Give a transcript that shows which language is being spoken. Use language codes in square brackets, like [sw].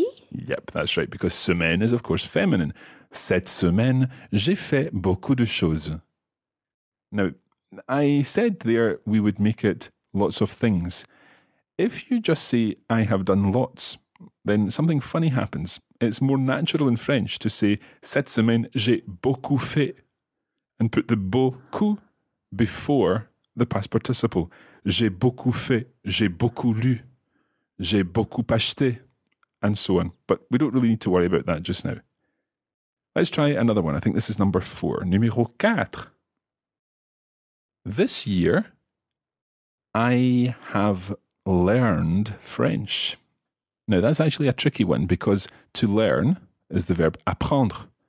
[en] Yep, that's right, because semaine is, of course, feminine. [fr] Cette semaine, j'ai fait beaucoup de choses. [en] Now, I said there we would make it lots of things. If you just say, I have done lots, then something funny happens. It's more natural in French to say, [fr] cette semaine, j'ai beaucoup fait, [en] and put the beaucoup before the past participle. [fr] J'ai beaucoup fait, j'ai beaucoup lu, j'ai beaucoup acheté, [en] and so on. But we don't really need to worry about that just now. Let's try another one. I think this is number four. [fr] Numéro quatre. [en] This year, I have learned French. Now, that's actually a tricky one because to learn is the verb apprendre.